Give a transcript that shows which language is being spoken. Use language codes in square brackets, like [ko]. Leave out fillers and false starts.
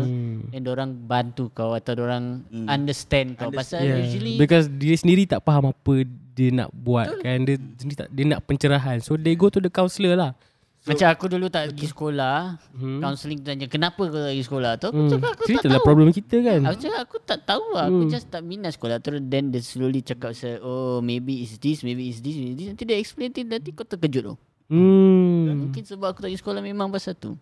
[ms] Dan orang bantu kau atau orang understand kau. Pasal usually because dia sendiri tak faham apa dia nak buat. Kan dia sendiri tak, dia nak pencerahan. [en] So they go to the counselor lah. So, [ms] macam aku dulu tak pergi sekolah, counseling tanya kenapa kau tak pergi sekolah tu. Aku cakap aku tak tahu problem kita kan. Aku cakap aku tak tahu lah. Aku just tak minat sekolah. [en] Terus then they slowly cakap, oh maybe it's this, maybe it's this, maybe this. [ms] Nanti dia explain it, nanti kau terkejut tu. Mungkin sebab aku tak pergi sekolah memang pasal tu.